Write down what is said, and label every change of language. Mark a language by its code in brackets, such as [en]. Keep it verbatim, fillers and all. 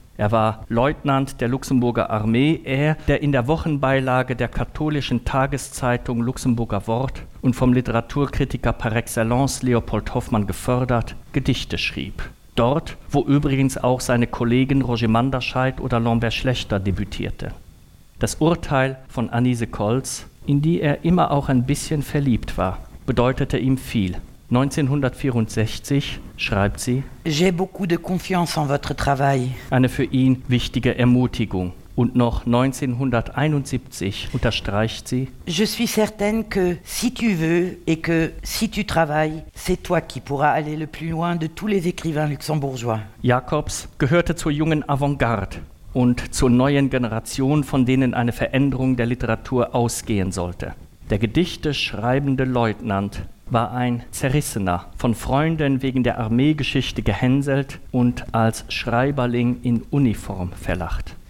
[de] Er war Leutnant der Luxemburger Armee, er, der in der Wochenbeilage der katholischen Tageszeitung Luxemburger Wort und vom Literaturkritiker par excellence Leopold Hoffmann gefördert, Gedichte schrieb. Dort, wo übrigens auch seine Kollegen Roger Manderscheid oder Lambert Schlächter debütierte. Das Urteil von Anise Kolls, in die er immer auch ein bisschen verliebt war, bedeutete ihm viel. neunzehnhundertvierundsechzig schreibt sie: [fr] J'ai beaucoup de confiance en votre travail. [de] Eine für ihn wichtige Ermutigung. Und noch neunzehnhunderteinundsiebzig unterstreicht sie: [fr] Je suis certaine que si tu veux et que si tu travailles, c'est toi qui pourras aller le plus loin de tous les écrivains luxembourgeois. [de] Jacobs gehörte zur jungen Avantgarde und zur neuen Generation, von denen eine Veränderung der Literatur ausgehen sollte. Der Gedichte schreibende Leutnant war ein Zerrissener, von Freunden wegen der Armeegeschichte gehänselt und als Schreiberling in Uniform verlacht.